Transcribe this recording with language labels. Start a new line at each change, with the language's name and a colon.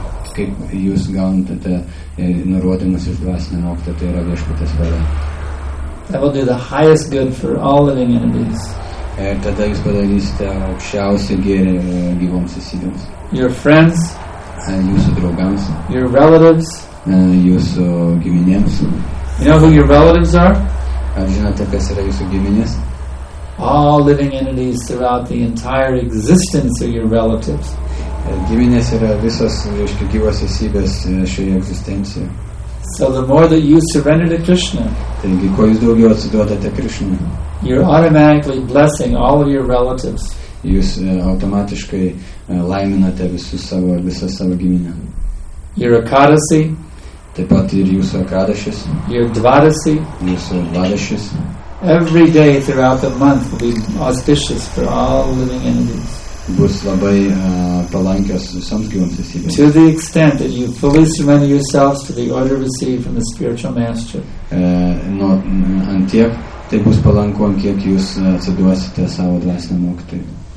Lithuanian: Kaip jūs gaunate nurodymus iš dvasinio mokytojo, tai yra Viešpaties valia.
English: That will do the highest good for all living entities.
Lithuanian: Ir tada jūs padarysite aukščiausią gėrį gyvoms esybėms.
English: Your friends.
Lithuanian: Jūsų draugams.
English: Your relatives.
Lithuanian: Jūsų giminėms.
English: You know who your relatives are?
Lithuanian: Ar žinote, kas yra jūsų giminės?
English: All living entities throughout the entire existence are your relatives.
Lithuanian: Giminės yra visos, reiškia, gyvos esybės šioje egzistencijoje.
English: So the more that you surrender to Krishna,
Lithuanian: taigi, kuo jūs daugiau atsiduodate Krishna,
English: you're automatically blessing all of your relatives.
Lithuanian: Jūs automatiškai laiminate visą savo giminę.
English: Your Ekadasi.
Lithuanian: Taip pat ir jūsų Ekadasis.
English: Your Dvadasi.
Lithuanian: Jūsų Dvadasis.
English: Every day throughout the month will be auspicious for all living entities.
Lithuanian: Bus labai palankios visoms gyvoms esybėms.
English: To the extent that you fully surrender yourselves to the order received from the spiritual master.
Lithuanian: Antiek, tai bus palanku, ant kiek jūs atsiduosite savo dvasiniam mokytojui.